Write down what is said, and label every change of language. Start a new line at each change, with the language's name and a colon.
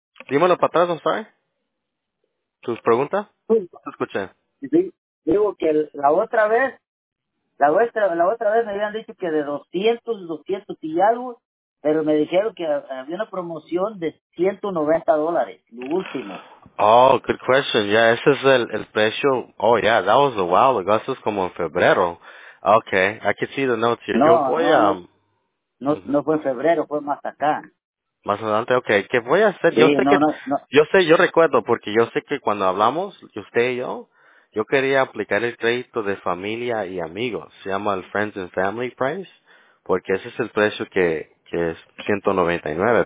Spanish: Dímelo para atrás,
English: I'm sorry.
Spanish: ¿Tu pregunta? Sí. Te escuché. Sí. Digo que la otra vez me habían dicho que de 200 y algo, pero me dijeron que había una promoción de $190, lo último.
English: Oh, good question. Yeah,
Spanish: ese es el precio.
English: Oh, yeah, that was a while ago.
Spanish: Eso es como en febrero.
English: Okay, I can see the notes here.
Spanish: No, yo voy no, a... no fue en febrero, fue más acá. Más adelante, okay. ¿Qué voy a hacer? Sí, yo recuerdo, porque yo sé que cuando hablamos, usted y yo quería aplicar el crédito de familia y amigos. Se llama el Friends and Family Price, porque ese es el precio que es $199.